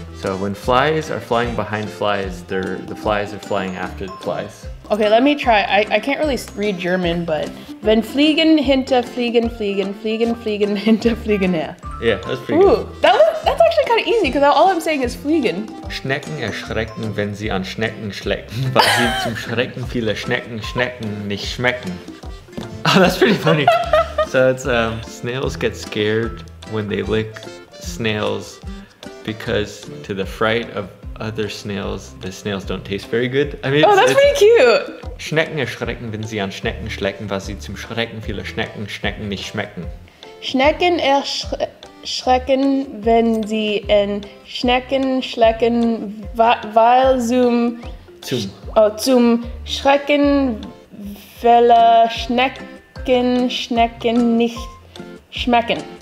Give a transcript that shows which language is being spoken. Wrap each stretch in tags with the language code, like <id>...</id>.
<en>So when flies are flying behind flies, the flies are flying after the flies. Okay, let me try. I can't really read German, but</en> <de>wenn fliegen hinter fliegen fliegen fliegen fliegen hinter fliegen her.</de> <en>Yeah, that's pretty Ooh, good. That's actually kind of easy because all I'm saying is fliegen.</en> <de>Schnecken erschrecken, wenn sie an Schnecken schlecken, weil sie zum Schrecken viele Schnecken Schnecken nicht schmecken.</de> <en>Oh, that's pretty funny. So it's snails get scared when they lick snails because to the fright of other snails, the snails don't taste very good. I mean, that's pretty cute.</en> <de>Schnecken erschrecken, wenn sie an Schnecken schlecken, was sie zum Schrecken viele Schnecken Schnecken nicht schmecken. Schnecken erschrecken, wenn sie an Schnecken schlecken, weil zum Schrecken viele Schnecken Schnecken nicht schmecken.</de>